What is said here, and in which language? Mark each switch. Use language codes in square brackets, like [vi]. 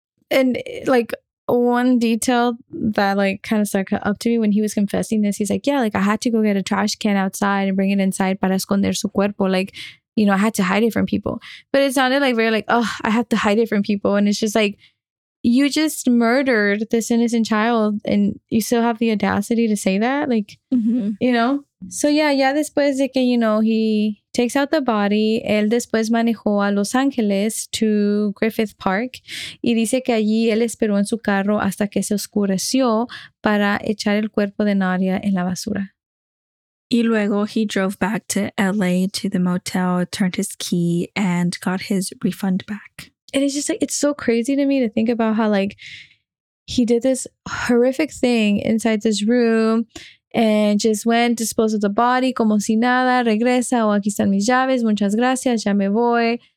[en] And like one detail that like kind of stuck up to me when he was confessing this, he's like, yeah, like I had to go get a trash can outside and bring it inside [es] para esconder su cuerpo. [en] Like, you know, I had to hide it from people. But it sounded like very like, oh, I have to hide it from people. And it's just like, you just murdered this innocent child and you still have the audacity to say that, like, mm-hmm. you know? [es] So yeah, ya después de que, [en] you know, he takes out the body, [es] él después manejó a Los Ángeles [en] to Griffith Park [es] y dice que allí él esperó en su carro hasta que se oscureció para echar el cuerpo de Nadia en la basura. Y luego [en] he drove back to LA to the motel, turned his key and got his refund back. And it's just like, it's so crazy to me to think about how like he did this horrific thing inside this room and just went, disposed of the body, [es] como si nada, regresa, o aquí están mis llaves, muchas gracias, ya me voy.